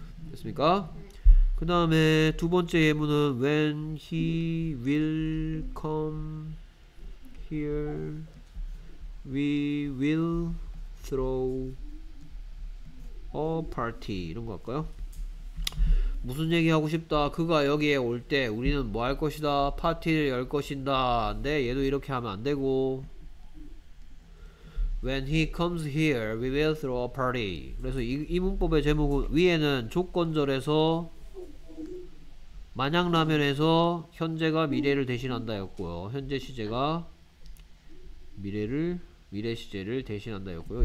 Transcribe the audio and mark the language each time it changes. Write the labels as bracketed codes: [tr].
[ko] 됐습니까? 그 다음에 두 번째 예문은 [en] When he will come here we will throw a party [ko] 이런 거 할까요? 무슨 얘기 하고 싶다? 그가 여기에 올 때 우리는 뭐 할 것이다? 파티를 열 것인다. 근데 얘도 이렇게 하면 안 되고 [en] When he comes here, we will throw a party. [ko] 그래서 이 문법의 제목은 위에는 조건절에서 만약라면에서 현재가 미래를 대신한다였고요. 현재 시제가 미래 시제를 대신한다였고요.